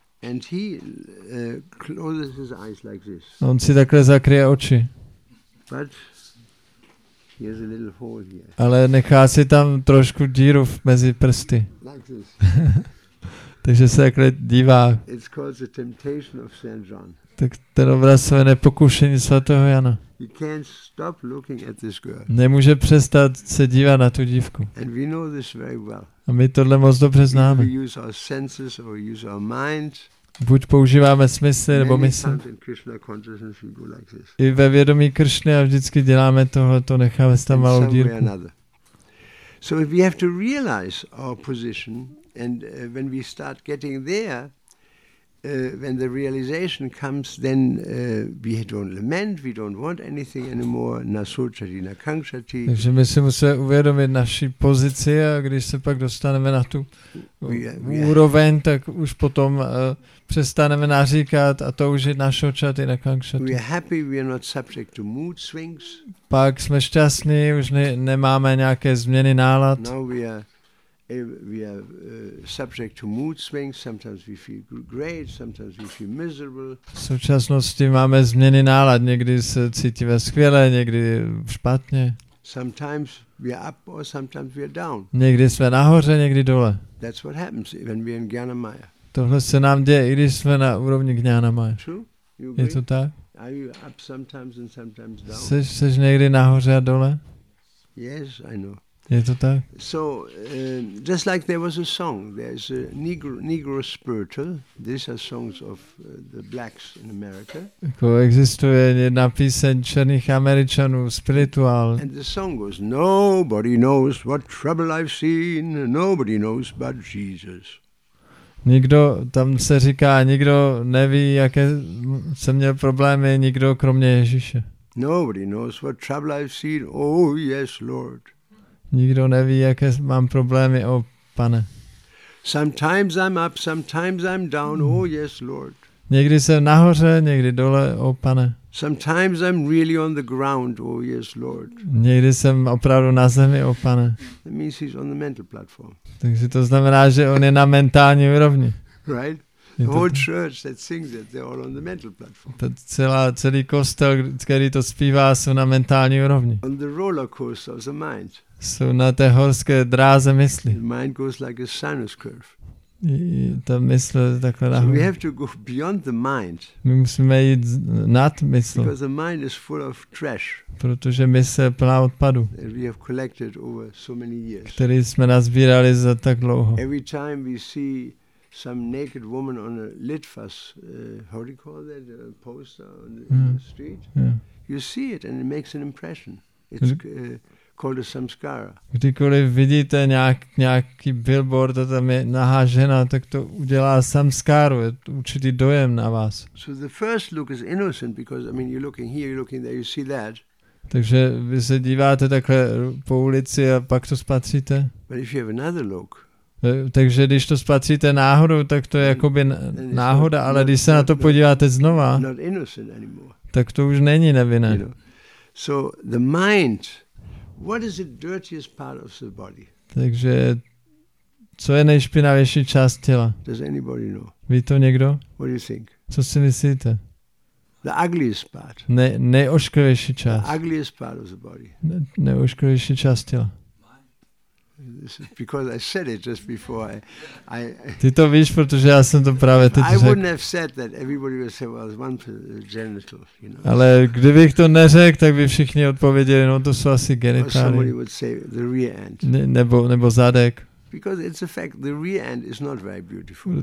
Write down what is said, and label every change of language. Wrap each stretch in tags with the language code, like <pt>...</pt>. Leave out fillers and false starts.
<en>And he closes his eyes like this.</en> <cs>On si takhle zakryje oči.</cs> <en>But he has a little hole here.</en> <cs>Ale nechá si tam trošku díru mezi prsty.</cs> <en>Like this.</en> <cs>Takže se takhle dívá.</cs> <en>It's called the Temptation of Saint John.</en> <cs>Tak ten obraz se jmenuje Pokušení svatého Jana.</cs> <en>He can't stop looking at this girl.</en> <cs>Nemůže přestat se dívat na tu dívku.</cs> <en>And we know this very well.</en> <cs>A my tohle moc dobře známe.</cs> <en>We use our senses or use our mind.</en> <cs>Buď používáme smysly nebo mysl.</cs> <en>Like</en> <cs>i ve vědomí Kršny a vždycky děláme tohle, to necháme tam malou dírku.</cs> <en>Another. So if we have to realize our position, and when we start getting there, when the realization comes, then we don't lament, we don't want anything anymore.</en> <sa>Na sochati, na kangchati.</sa> <cs>Takže my si musíme uvědomit naši pozici, a když se pak dostaneme na tu úroveň, tak už potom přestaneme naříkat a toužit</cs> <sa>na sochati, na kangchati.</sa> <en>We are happy, we are not subject to mood swings.</en> <cs>Pak jsme šťastní, už nemáme nějaké změny nálad.</cs> <en>Now we are subject to mood swings. Sometimes we feel great, sometimes we feel miserable.</en> <cs>V současnosti máme změny nálad. Někdy se cítíme skvěle, někdy špatně.</cs> <en>Sometimes we are up or sometimes we are down.</en> <cs>Někdy jsme nahoře, někdy dole.</cs> <en>That's what happens when we are in Gyana Maya.</en> <cs>Tohle se nám děje, i když jsme na úrovni Gyana Maya.</cs> <en>True?</en> <cs>Je to tak?</cs> <en>Are you up sometimes and sometimes down?</en> <cs>Seš někdy nahoře a dole?</cs> <en>Yes, I know.</en> <cs>Je to tak?</cs> <en>So just like there was a song, there's a Negro spiritual. These are songs of the blacks in America.</en> <cs>Jako existuje jedna píseň černých Američanů, spiritual.</cs> <en>And the song goes, nobody knows what trouble I've seen, nobody knows but Jesus.</en> <cs>Nikdo tam se říká, nikdo neví, jaké jsem měl problémy, nikdo kromě Ježíše.</cs> <en>Nobody knows what trouble I've seen, oh yes, Lord.</en> <cs>Nikdo neví, jaké mám problémy, o pane.</cs> <en>Sometimes I'm up, sometimes I'm down, oh yes, Lord.</en> <cs>Někdy jsem nahoře, někdy dole, o pane.</cs> <en>Sometimes I'm really on the ground, oh yes, Lord.</en> <cs>Někdy jsem opravdu na zemi, o pane.</cs> <en>That means he's on the mental platform.</en> <cs>Takže to znamená, že on je na mentální úrovni.</cs> <en>Right? The whole church that sings it, they're all on the mental platform.</en> <cs>Celý kostel, který to zpívá, jsou na mentální úrovni.</cs> <en>On the roller coaster of the mind.</en> <cs>Jsou na té horské dráze mysli.</cs> <en>The mind goes like a sinus curve.</en> <cs>Ta mysl takhle nahoru.</cs> <en>So we have to go beyond the mind.</en> <cs>My musíme jít nad mysl.</cs> <en>Because the mind is full of trash.</en> <cs>Protože mysl je plná odpadu.</cs> <en>That we have collected over so many years.</en> <cs>Který jsme nazbírali za tak dlouho.</cs> <en>Every time we see some naked woman on a litfas, how do you call that, a poster on the street, yeah. You see it and it makes an impression. It's called a samskara.</en> <cs>Kdykoliv vidíte nějaký billboard a tam je nahá žena, tak to udělá samskáru, je to určitý dojem na vás.</cs> <en>So the first look is innocent because, I mean, you're looking here, you're looking there, you see that.</en> <cs>Takže vy se díváte takhle po ulici a pak to spatříte.</cs> <en>But if you have another look,</en> <cs>takže když to spatříte náhodou, tak to je jakoby náhoda, ale když se na to podíváte znova, tak to už není nevinné.</cs> <en>So the mind, what is the dirtiest part of the body?</en> <cs>Takže co je nejšpinavější část těla?</cs> <en>Does anybody know?</en> <cs>Ví to někdo?</cs> <en>What do you think?</en> <cs>Co si myslíte?</cs> <en>The ugliest part.</en> <cs>Nejošklivější část.</cs> <en>The ugliest part of the body.</en> <cs>Nejošklivější část těla.</cs> <en>This is because I said it just before. I</en> <cs>ty to víš, protože já jsem to právě teď řekl.</cs> <en>I wouldn't have said that. Everybody would say, well, it's one genital, you know.</en> <cs>Ale kdybych to neřekl, tak by všichni odpověděli, no to jsou asi genitály.</cs> <en>Somebody would say the rear end.</en> <cs>Nebo zadek.</cs> <en>Because it's a fact, the rear end is not very beautiful.</en>